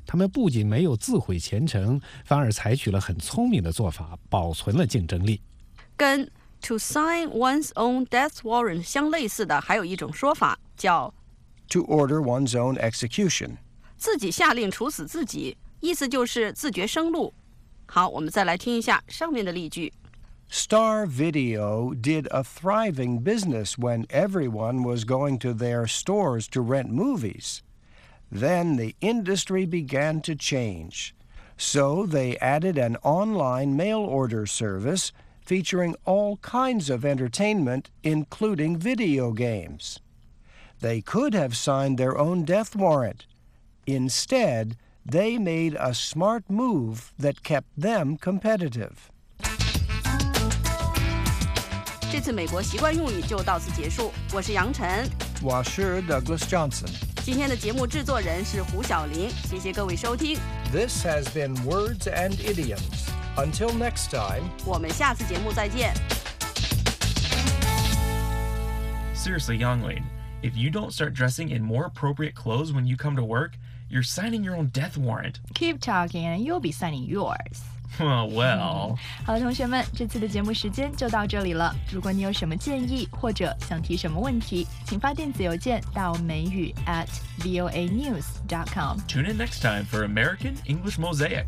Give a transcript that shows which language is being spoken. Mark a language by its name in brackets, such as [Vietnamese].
[Chinese] 他们不仅没有自毁前程，反而采取了很聪明的做法，保存了竞争力。跟 To sign one's own death warrant 相类似的还有一种说法叫 [English] To order one's own execution. [Chinese] 自己下令处死自己，意思就是自绝生路。好，我们再来听一下上面的例句。 [English] Star Video did a thriving business when everyone was going to their stores to rent movies. Then the industry began to change. So they added an online mail order service featuring all kinds of entertainment, including video games. They could have signed their own death warrant. Instead, they made a smart move that kept them competitive. [Chinese] 这次美国习惯用语就到此结束。我是杨晨。我是 Douglas Johnson。今天的节目制作人是胡晓林。谢谢各位收听。 [English] This has been Words and Idioms. Until next time, [Chinese] 我们下次节目再见。 [English] Seriously, Yonglin, if you don't start dressing in more appropriate clothes when you come to work, you're signing your own death warrant. Keep talking, and you'll be signing yours. Well. [Chinese] 好了，同学们，这次的节目时间就到这里了。如果你有什么建议或者想提什么问题，请发电子邮件到美语@voanews.com. [English] Tune in next time for American English Mosaic.